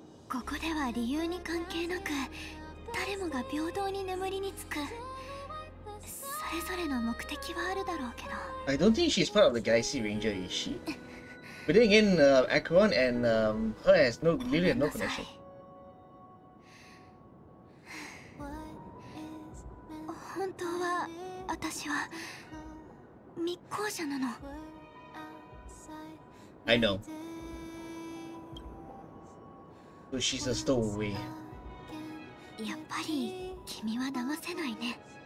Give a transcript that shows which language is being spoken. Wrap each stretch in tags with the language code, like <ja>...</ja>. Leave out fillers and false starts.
<ja>ここでは理由に関係なく誰もが平等に眠りにつく。それぞれの目的はあるだろうけど、</ja> <en>I don't think she's part of the Galaxy Ranger, is she? But then again, Akron and her has no, literally no connection. What is my name?</en> <ja>本当は私は密航者なの。</ja> <en>I know. So she's a stowaway.</en> <ja>やっぱり君は騙せないね。</ja>